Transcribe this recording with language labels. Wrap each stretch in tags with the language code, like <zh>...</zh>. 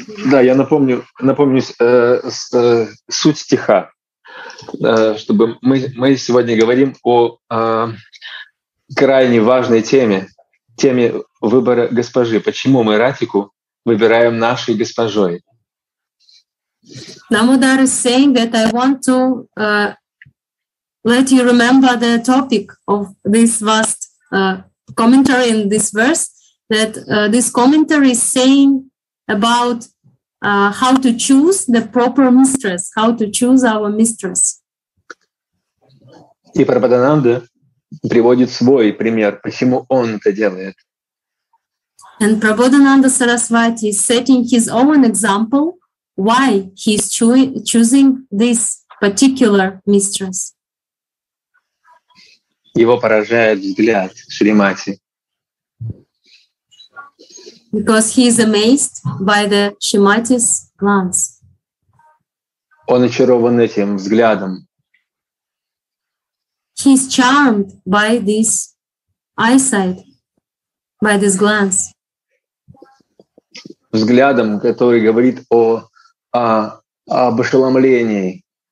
<ru>Да, я напомню суть стиха, чтобы мы сегодня говорим о крайне важной теме выбора госпожи. Почему мы Ратику выбираем нашей госпожой?</ru> <en>Намудар is saying that I want to let you remember the topic of this vast commentary in this verse, that this commentary is saying about how to choose the proper mistress, how to choose our mistress.</en> <ru>И Прабхадананда приводит свой пример, почему он это делает.</ru> <en>And Prabodhananda Sarasvati is setting his own example why he is choosing this particular mistress.</en> <ru>Его поражает взгляд Шримати.</ru> <en>Because he is amazed by the Shrimati's glance.</en> <ru>Он очарован этим взглядом.</ru> <en>He is charmed by this eyesight, by this glance.</en> <ru>Взглядом, который говорит об ошеломлении.</ru>